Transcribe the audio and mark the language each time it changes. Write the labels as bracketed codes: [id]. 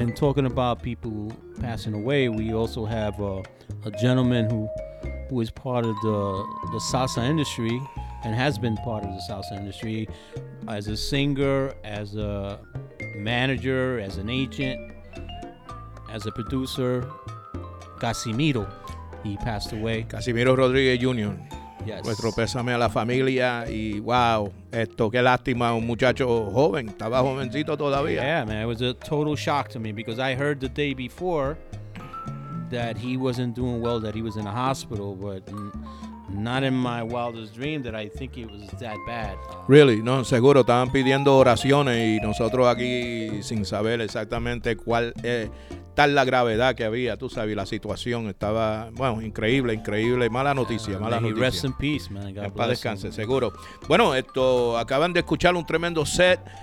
[en] And talking about people passing away, we also have a gentleman who is part of the salsa industry, and has been part of the salsa industry as a singer, as a manager, as an agent, as a producer, Casimiro. He passed away. Casimiro Rodríguez Jr. Yes. [es] Nuestro pésame a la familia. Y wow, esto, qué lástima, un muchacho joven, estaba jovencito todavía. [en] Yeah, man, it was a total shock to me because I heard the day before that he wasn't doing well, that he was in a hospital, but not in my wildest dream that I think it was that bad. Really? [es] No, seguro. Estaban pidiendo oraciones y nosotros aquí sin saber exactamente cuál es tal la gravedad que había. Tú sabes, la situación estaba, bueno, increíble, increíble. Mala noticia, mala noticia. [en] Rest in peace, man. God bless. [es] Para descanse, seguro. Bueno, esto, acaban de escuchar un tremendo set.